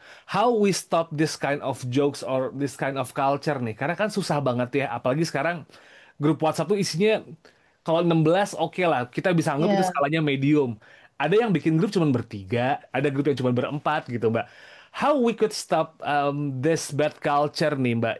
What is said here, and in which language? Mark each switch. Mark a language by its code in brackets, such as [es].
[en] How we stop this kind of jokes or this kind of culture [id] nih? Karena kan susah banget ya, apalagi sekarang grup WhatsApp tuh isinya. Kalau 16 oke okay lah, kita bisa anggap itu Ya. skalanya medium. Ada yang bikin grup cuma bertiga, ada grup yang cuma berempat gitu, Mbak. [en] How we could stop this bad culture [id] nih, Mbak?